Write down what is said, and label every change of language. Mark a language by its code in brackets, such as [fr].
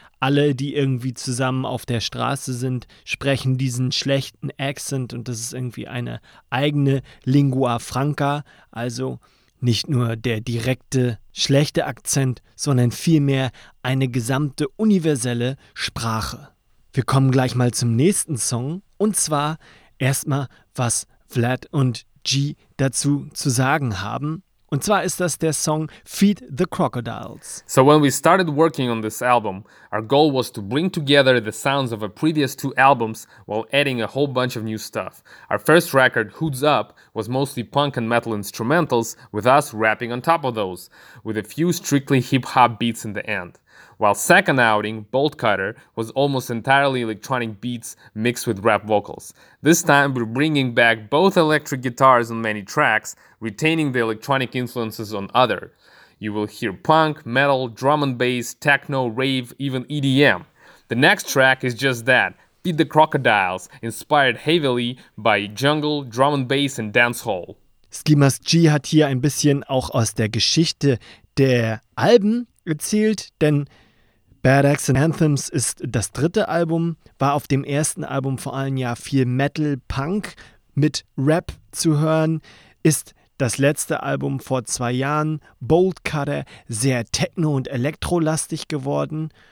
[de] Alle, die irgendwie zusammen auf der Straße sind, sprechen diesen schlechten Akzent und das ist irgendwie eine eigene Lingua Franca, also nicht nur der direkte schlechte Akzent, sondern vielmehr eine gesamte universelle Sprache. Wir kommen gleich mal zum nächsten Song und zwar erstmal, was Vlad und G dazu zu sagen haben. Und zwar ist das der Song Feed the Crocodiles. [en] So when we started working on this album, our goal was to bring together the sounds of our previous two albums while adding a whole bunch of new stuff. Our first record, Hoods Up, was mostly punk and metal instrumentals with us rapping on top of those, with a few strictly hip-hop beats in the end. While second outing, Bolt Cutter, was almost entirely electronic beats mixed with rap vocals. This time we're bringing back both electric guitars on many tracks, retaining the electronic influences on other. You will hear punk, metal, drum and bass, techno, rave, even EDM. The next track is just that, Feed the Crocodiles, inspired heavily by jungle, drum and bass and dancehall. [de] Skimas G hat hier ein bisschen auch aus der Geschichte der Alben erzählt, denn Bad Axe and Anthems ist das dritte Album, war auf dem ersten Album vor allem ja viel Metal-Punk mit Rap zu hören, ist das letzte Album vor 2 Jahren, Bolt Cutter, sehr techno- und elektrolastig geworden